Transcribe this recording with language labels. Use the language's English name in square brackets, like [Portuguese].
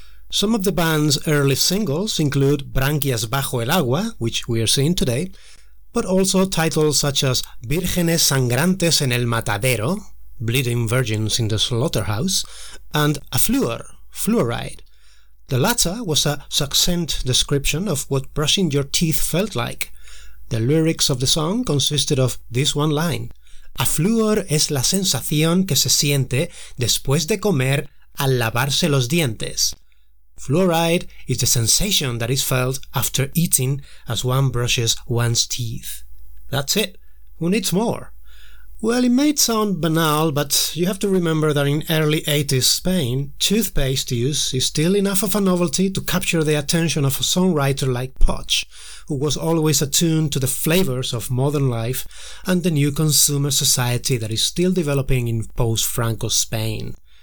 [English] Some of the band's early singles include Branquias Bajo el Agua, which we are seeing today, but also titles such as Vírgenes Sangrantes en el Matadero, Bleeding Virgins in the Slaughterhouse, and Afluor, Fluoride. The latter was a succinct description of what brushing your teeth felt like. The lyrics of the song consisted of this one line: [Spanish] Afluor es la sensación que se siente después de comer al lavarse los dientes. [English] Fluoride is the sensation that is felt after eating as one brushes one's teeth. That's it. Who needs more? Well, it may sound banal, but you have to remember that in early 80s Spain, toothpaste use is still enough of a novelty to capture the attention of a songwriter like Poch, who was always attuned to the flavors of modern life and the new consumer society that is still developing in post-Franco Spain.